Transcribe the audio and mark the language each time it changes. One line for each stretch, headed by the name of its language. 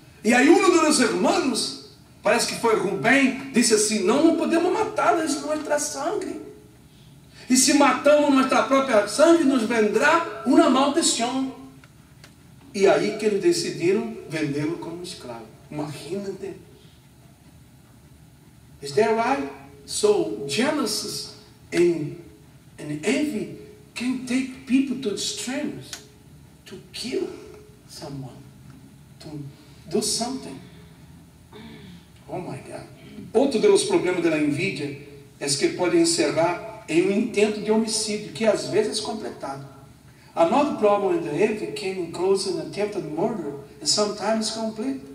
Portuguese: E aí um dos irmãos, parece que foi Rubem, disse assim, não podemos matá-lo, isso não é nossa sangue. E se matamos nossa própria sangue, nos vendrá uma maldição. E aí que eles decidiram vendê-lo como escravo. Imagina-te.
English: Is that right? So, Genesis and envy can take people to extremes to kill someone, to do something. Oh my God.
Portuguese: Outro dos problemas da envidia é que pode encerrar em intento de homicídio, que às vezes é completado.
English: Another problem in the envy can close an attempted murder and sometimes complete.